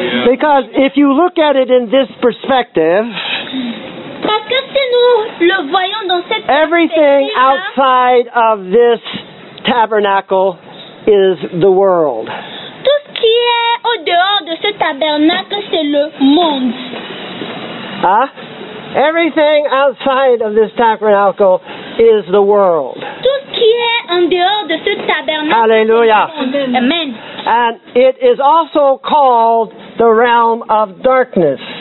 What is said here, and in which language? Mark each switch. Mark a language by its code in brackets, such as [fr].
[en] Because if you look at it in this perspective, [fr] parce que si nous le voyons dans cette [en] everything outside of this tabernacle is the world. [fr] Tout ce qui est au-dehors de ce tabernacle, c'est le monde. [en] Huh? Everything outside of this tabernacle is the world. [fr] Tout ce qui est en dehors de ce tabernacle. [en] Hallelujah. Amen. And it is also called the realm of darkness.